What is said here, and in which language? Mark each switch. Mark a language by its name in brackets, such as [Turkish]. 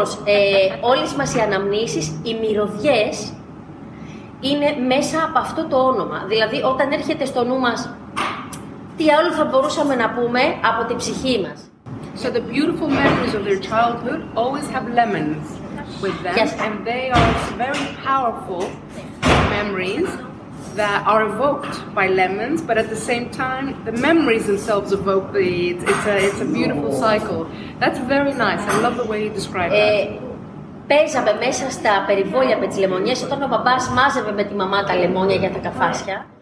[English] Of course, [Greek] όλες μας οι αναμνήσεις, οι μυρωδιές, είναι μέσα από αυτό το όνομα. Δηλαδή, όταν έρχεται στο νου μας, τι άλλο θα μπορούσαμε να πούμε από την ψυχή μας. [English] So the beautiful memories of their childhood always have lemons with them, yes. And they are very powerful memories that are evoked by lemons, but at the same time, the memories themselves evoke the. It's a beautiful cycle. That's very nice. I love the way you describe that. [Greek] Παίζαμε μέσα στα περιβόλια με τις λεμονιές, όταν ο μπαμπάς μάζευε με τη μαμά τα λεμόνια για τα καφάσια.